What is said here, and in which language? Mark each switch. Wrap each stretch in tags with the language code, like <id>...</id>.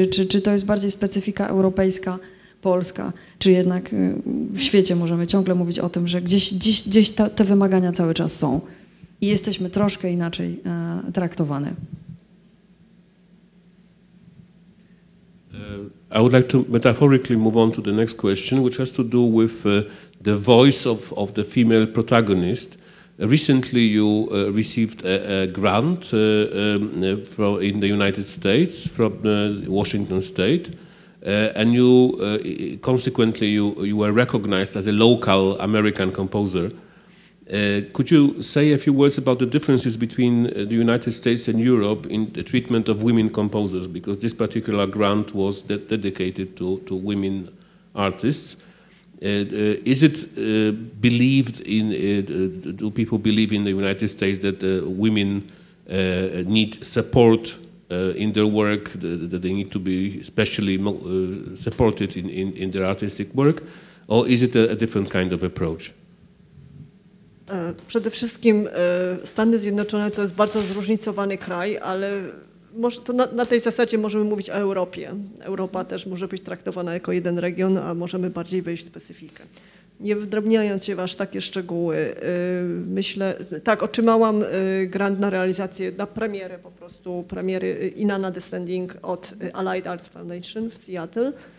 <pl>Czy to jest bardziej specyfika europejska, polska, czy jednak w świecie możemy ciągle mówić o tym, że gdzieś te wymagania cały czas są? I jesteśmy troszkę inaczej traktowane.</pl> <en>I would like to metaphorically move on to the next question, which has to do with the voice of the female protagonist. Recently you received a grant in the United States from Washington State, and you consequently you were recognized as a local American composer. Could you say a few words about the differences between the United States and Europe in the treatment of women composers? Because this particular grant was dedicated to women artists. Is it believed in, do people believe in the United States that women need support in their work, that they need to be specially supported in their artistic work? Or is it a different kind of approach?</en> <pl>Przede wszystkim Stany Zjednoczone to jest bardzo zróżnicowany kraj, ale to na tej zasadzie możemy mówić o Europie. Europa też może być traktowana jako jeden region, a możemy bardziej wejść w specyfikę. Nie wdrabniając się w aż takie szczegóły, myślę, tak, otrzymałam grant na realizację, na premierę po prostu, premiery Inanna Descending od Allied Arts Foundation w Seattle.</pl>